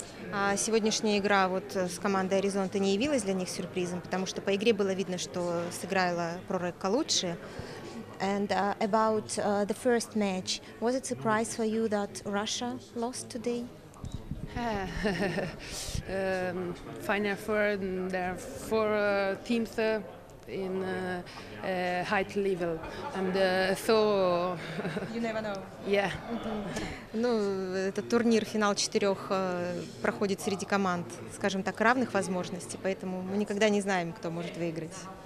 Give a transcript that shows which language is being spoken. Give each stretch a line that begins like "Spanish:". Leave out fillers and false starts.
Russian: А сегодняшняя игра вот с командой Аризонта не явилась для них сюрпризом, потому что по игре было видно, что сыграла Прорек лучше.
English: And about the first match, was it a surprise for you that Russia lost today? Final four, there are four teams in high level, and so... You never know. Yeah.
Russian: Ну, этот турнир, финал четырех, проходит среди команд, скажем так, равных возможностей, поэтому мы никогда не знаем, кто может выиграть.